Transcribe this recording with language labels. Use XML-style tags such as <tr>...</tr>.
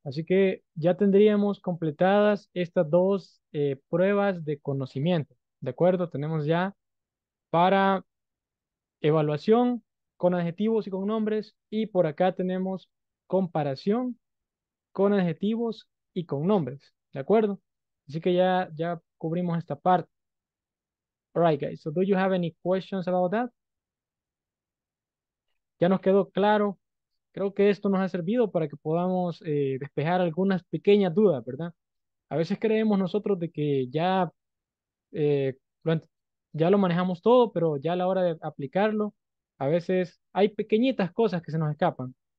<es>Así que ya tendríamos completadas estas dos pruebas de conocimiento. De acuerdo, tenemos ya para evaluación con adjetivos y con nombres. Y por acá tenemos comparación con adjetivos y con nombres. De acuerdo. Así que ya cubrimos esta parte.</es> <en>All right, guys. So, do you have any questions about that?</en> <es>Ya nos quedó claro. Creo que esto nos ha servido para que podamos despejar algunas pequeñas dudas, ¿verdad? A veces creemos nosotros de que ya lo manejamos todo, pero ya a la hora de aplicarlo, a veces hay pequeñitas cosas que se nos escapan.</es>